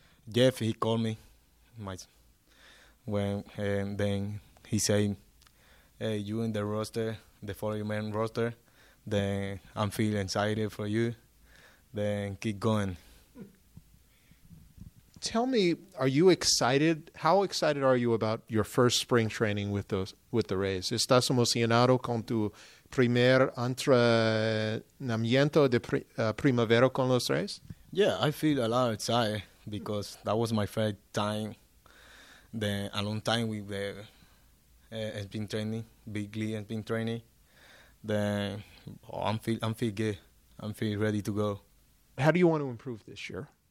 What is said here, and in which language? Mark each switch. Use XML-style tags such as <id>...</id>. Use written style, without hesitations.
<en>Jeff, he called me, then he said, "Hey, you in the roster? The 40-man roster, then I'm feeling excited for you. Then keep going." Tell me, are you excited? How excited are you about your first spring training with the Rays?</en> <es>¿Estás emocionado con tu primer entrenamiento de primavera con los Rays?</es> <en>Yeah, I feel a lot excited because that was my first time, then a long time with the has been training, Big League has been training. Then I'm feel good. I'm feel ready to go. How do you want to improve this year?</en>